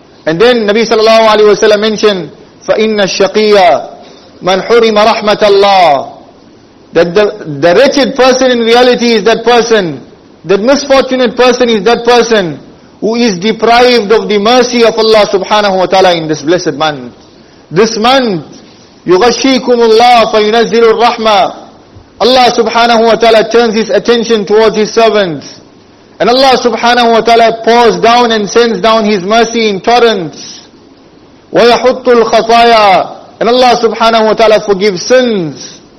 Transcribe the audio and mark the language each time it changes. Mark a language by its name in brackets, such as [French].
[English] And then Nabi sallallahu alayhi wa sallam mentioned, [Arabic] فَإِنَّ الشَّقِيَّ مَنْ حُرِمَ رَحْمَةَ اللَّهِ, [English] that the wretched person in reality is that person, that misfortunate person is that person who is deprived of the mercy of Allah subhanahu wa ta'ala in this blessed month. This month, [Arabic] يُغَشِّيكُمُ اللَّهِ فَيُنَزِّلُ الرَّحْمَةِ. [English] Allah subhanahu wa ta'ala turns His attention towards His servants. And Allah subhanahu wa ta'ala pours down and sends down His mercy in torrents. [Arabic] وَيَحُطُّ الْخَطَايَا. [English] And Allah subhanahu wa ta'ala forgives sins.